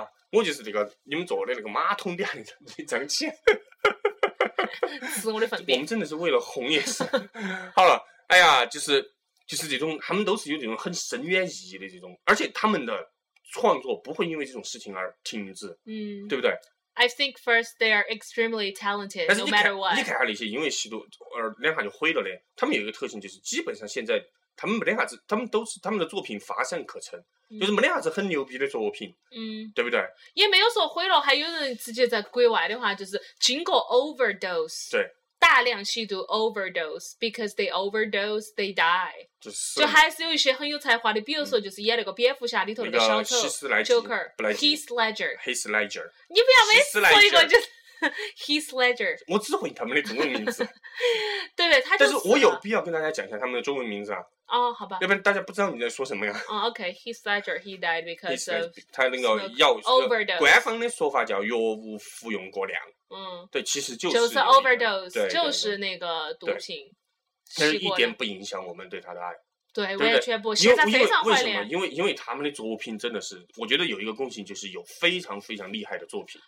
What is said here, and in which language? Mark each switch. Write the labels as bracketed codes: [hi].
[zh] 我就是那个你们坐的那个马桶垫的一张签，是我的粪便。我们真的是为了红也是。好了，哎呀，就是这种，他们都是有这种很深远意义的这种，而且他们的创作不会因为这种事情而停止，对不对？ [en] I think first they are extremely talented no matter what。 [zh] 你看下那些因为吸毒而两下就毁了的，他们有一个特性，就是基本上现在他们没两下子，他们都是他们的作品乏善可陈，就是没两下子很牛逼的作品，对不对？也没有说毁了，还有人直接在国外的话就是经过 overdose，对，大量吸毒 [en] overdose， because they overdose they die。 [zh] 就还是有一些很有才华的，比如说就是演那个蝙蝠侠里头那个小丑 Joker， Heath Ledger， Heath Ledger，你不要每次说一个就是 Heath Ledger，我只会他们的中文名字。对对，他就是。但是我有必要跟大家讲一下他们的中文名字啊。哦，好吧。要不然大家不知道你在说什么呀？ [en] 哦 ，OK， Heath Ledger he died because of [zh] 他那个药 [en] overdose， [zh] 官方的说法叫药物服用过量。对，其实就是 overdose， 就是那个毒品。但是一点不影响我们对他的爱，对，对不对？完全不，现在非常怀念。为什么？因为他们的作品真的是，我觉得有一个共性，就是有非常非常厉害的作品。